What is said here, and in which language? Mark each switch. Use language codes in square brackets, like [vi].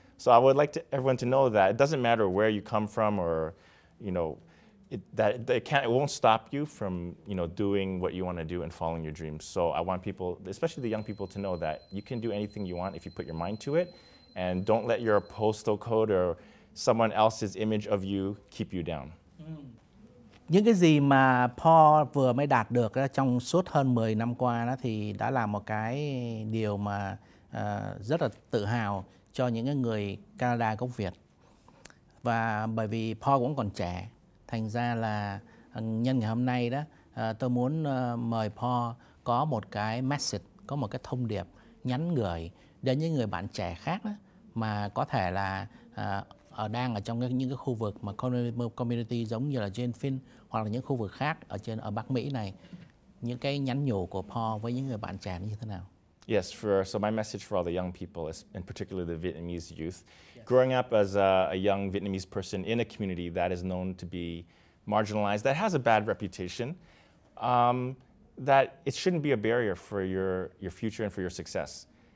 [en] So I would like everyone to know that it doesn't matter where you come from, or you know, it won't stop you from, you know, doing what you want to do and following your dreams. So I want people, especially the young people, to know that you can do anything you want if you put your mind to it. And don't let your postal code or someone else's image of you keep you down. [vi] Những cái gì mà Paul vừa mới đạt được đó, trong suốt hơn 10 năm qua đó, thì đã là một cái điều mà rất là tự hào cho những cái người Canada gốc Việt. Và bởi vì Paul cũng còn trẻ, thành ra là nhân ngày hôm nay đó, tôi muốn mời Paul có một cái message, có một cái thông điệp nhắn gửi đến những người bạn trẻ khác đó, mà có thể là đang ở trong những cái khu vực mà community giống như là Jane Finch hoặc là những khu vực khác ở trên ở Bắc Mỹ này, những cái nhắn nhủ của Paul với những người bạn trẻ như thế nào? [en] Yes, so my message for all the young people is, in particular the Vietnamese youth, yes. Growing up as a young Vietnamese person in a community that is known to be marginalized, that has a bad reputation, that it shouldn't be a barrier for your future and for your success.